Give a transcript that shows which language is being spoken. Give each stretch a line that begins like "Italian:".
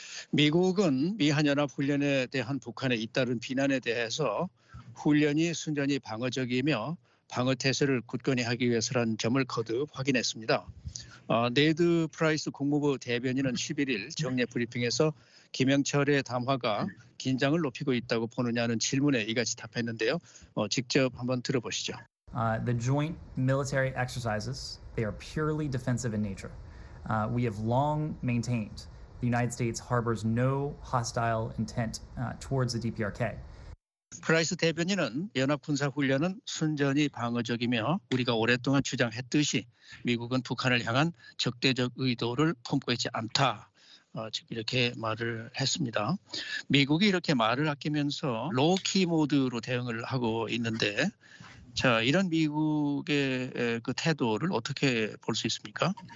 Korean: 미국은 미한연합훈련에 대한 북한의 잇따른 비난에 대해서 훈련이 순전히 방어적이며 방어태세를 굳건히 하기 위해서라는 점을 거듭 확인했습니다. 네드 프라이스 국무부 대변인은 11일 정례 브리핑에서 김영철의 담화가 긴장을 높이고 있다고 보느냐는 질문에 이같이 답했는데요. 직접 한번 들어보시죠.
English: The joint military exercises, they are purely defensive in nature. We have long maintained the United States harbors no hostile intent towards the DPRK.
Korean: 프라이스 대변인은 연합군사 훈련은 순전히 방어적이며 우리가 오랫동안 주장했듯이 미국은 북한을 향한 적대적 의도를 품고 있지 않다. 지금 이렇게 말을 했습니다. 미국이 이렇게 말을 아끼면서 로우키 모드로 대응을 하고 있는데 자 이런 미국의 그 태도를 어떻게 볼 수 있습니까?